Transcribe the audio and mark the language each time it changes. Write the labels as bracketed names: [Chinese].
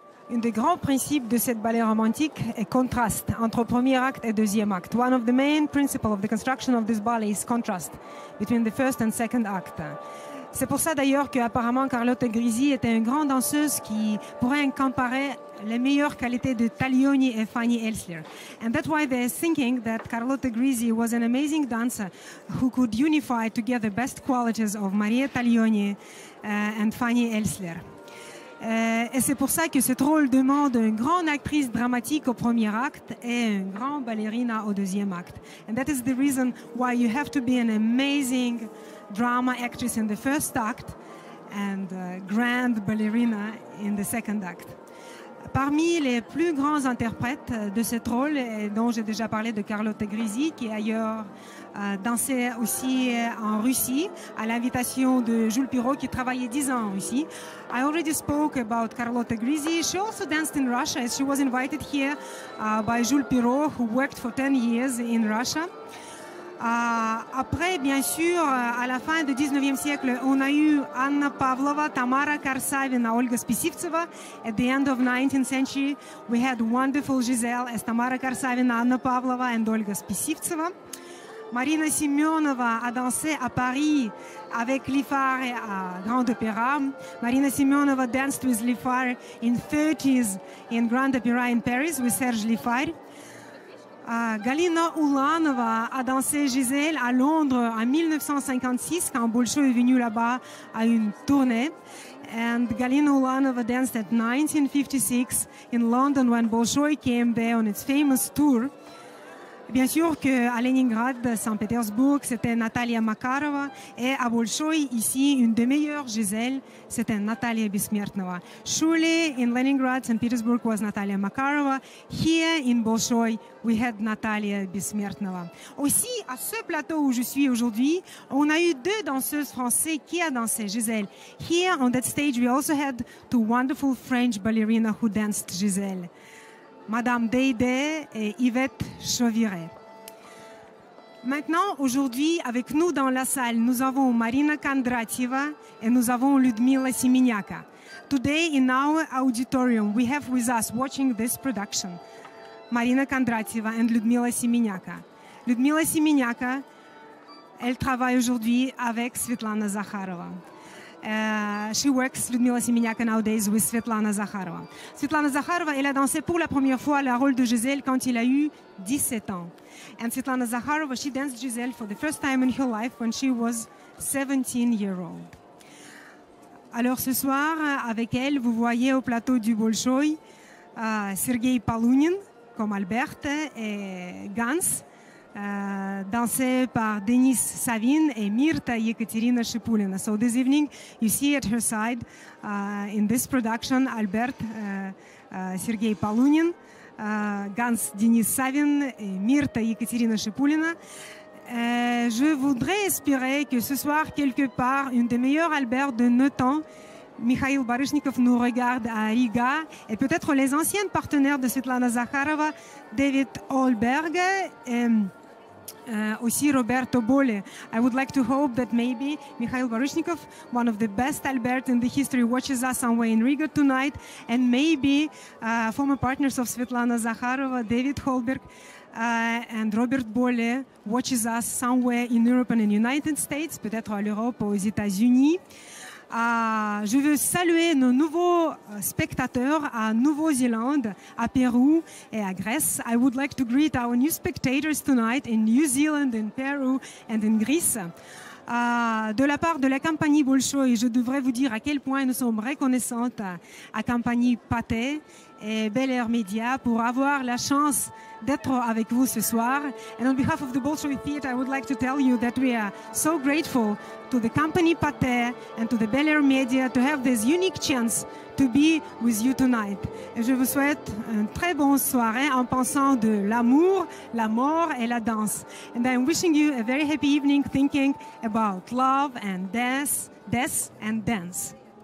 [French] Le grand principe de cette ballet romantique est contraste entre premier acte et deuxième acte. [English] One of the main principles of the construction of this ballet is contrast between the first and second act. [French] C'est pour ça d'ailleurs qu'apparemment Carlotta Grisi était une grande danseuse qui pourrait comparer les meilleures qualités de Taglioni et Fanny Elsler. [English] And that's why they're thinking that Carlotta Grisi was an amazing dancer who could unify together the best qualities of Maria Taglioni and Fanny Elsler. [French] Et c'est pour ça que ce rôle demande une grande actrice dramatique au premier acte et une grande ballerina au deuxième acte. [English] And that is the reason why you have to be an amazing drama actress in the first act and a grand ballerina in the second act. [French] Parmi les plus grands interprètes de ce rôle, dont j'ai déjà parlé de Carlotta Grisi, qui est ailleurs dansé aussi en Russie à l'invitation de Jules Pirot qui travaillait 10 ans en Russie. [English] I already spoke about Carlotta Grisi. She also danced in Russia as she was invited here by Jules Pirot who worked for 10 years in Russia. [French] Après, bien sûr, à la fin du 19e siècle, on a eu Anna Pavlova, Tamara Karsavina, Olga Spisivtseva. [English] At the end of 19th century, we had wonderful Giselle as Tamara Karsavina, Anna Pavlova and Olga Spisivtseva. [French] Marina Simeonova a dansé à Paris avec Lifare à Grand Opéra. [English] Marina Simeonova danced with Lifare in the 30s in Grand Opéra in Paris with Serge Lifare. [French] Galina Ulanova a dansé Giselle à Londres en 1956 quand Bolshoï est venu là-bas à une tournée. [English] And Galina Ulanova danced at 1956 in London when Bolshoï came there on its famous tour. [French] Bien sûr qu'à Leningrad, Saint-Pétersbourg, c'était Natalia Makarova. Et à Bolshoï, ici, une des meilleures Giselle, c'était Natalia Bessmertnova. [English] Surely, in Leningrad, Saint-Petersburg, was Natalia Makarova. Here, in Bolshoï, we had Natalia Bessmertnova. [French] Aussi, à ce plateau où je suis aujourd'hui, on a eu deux danseuses françaises qui ont dansé Giselle. [English] Here, on that stage, we also had two wonderful French ballerinas who danced Giselle. [French] Madame Deide et Yvette Chauviret. Maintenant, aujourd'hui, avec nous dans la salle, nous avons Marina Kondratieva et nous avons Ludmila Siminyaka. [English] Today, in our auditorium, we have with us, watching this production, Marina Kondratieva and Ludmila Siminyaka. [French] Ludmila Siminyaka, elle travaille aujourd'hui avec Svetlana Zakharova. [English] She works, Ludmila Siminyaka, nowadays with Svetlana Zakharova. [French] Svetlana Zakharova, elle a dansé pour la première fois le rôle de Giselle quand il a eu 17 ans. [English] And Svetlana Zakharova, she danced Giselle for the first time in her life when she was 17 years old. [French] Alors ce soir, avec elle, vous voyez au plateau du Bolshoï Sergei Polounin, comme Albert et Gans, dansé par Denis Savin et Mirta Ekaterina Shipulina. [English] So this evening, you see at her side, in this production, Albert Sergei Polounin, Gans Denis Savin et Mirta Ekaterina Shipulina. [French] Je voudrais espérer que ce soir, quelque part, une des meilleures Albert de nos temps, Mikhail Baryshnikov, nous regarde à Riga et peut-être les anciennes partenaires de Svetlana Zakharova, David Olberg et aussi Roberto Bolle. [English] I would like to hope that maybe Mikhail Baryshnikov, one of the best Albert in the history, watches us somewhere in Riga tonight, and maybe former partners of Svetlana Zakharova, David Holberg, and Robert Bolle watches us somewhere in Europe and in the United States, [French] peut-être à l'Europe ou aux États-Unis. Je veux saluer nos nouveaux spectateurs à Nouvelle-Zélande, à Pérou et à Grèce. [English] I would like to greet our new spectators tonight in New Zealand, in Peru and in Greece. [French] De la part de la compagnie Bolshoï, je devrais vous dire à quel point nous sommes reconnaissantes à compagnie Pathé et Bel Air Media pour avoir la chance d'être avec vous ce soir. [English] And on behalf of the Bolshoï Theatre, I would like to tell you that we are so grateful to the company Pathé and to the Bel Air Media to have this unique chance to be with you tonight. [French] Et je vous souhaite une très bonne soirée en pensant de l'amour, la mort et la danse. [English] And I'm wishing you a very happy evening thinking about love and death and dance.